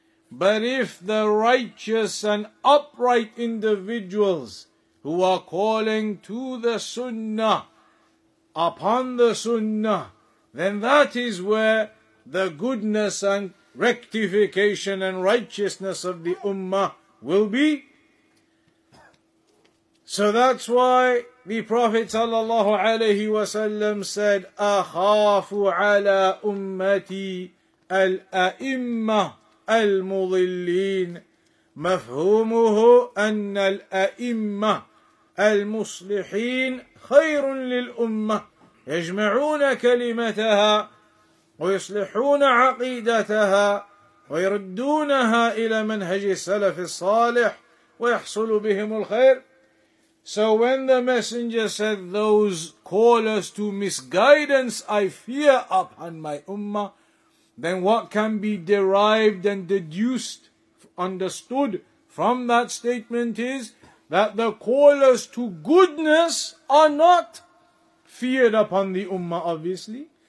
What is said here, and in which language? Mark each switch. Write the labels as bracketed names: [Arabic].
[English] But if the righteous and upright individuals who are calling to the sunnah, upon the sunnah, then that is where the goodness and rectification and righteousness of the ummah will be. So that's why the Prophet sallallahu alayhi wa sallam said, [Arabic] أَخَافُ عَلَىٰ أُمَّتِي الْأَئِمَّةِ المضلين مفهومه أن الأئمة المصلحين خير للأمة يجمعون كلمتها ويصلحون عقيدتها ويردونها إلى منهج السلف الصالح ويحصل بهم الخير. [English] So when the messenger said, those callers to misguidance I fear upon my ummah, then what can be derived and deduced, understood from that statement is that the callers to goodness are not feared upon the ummah, obviously.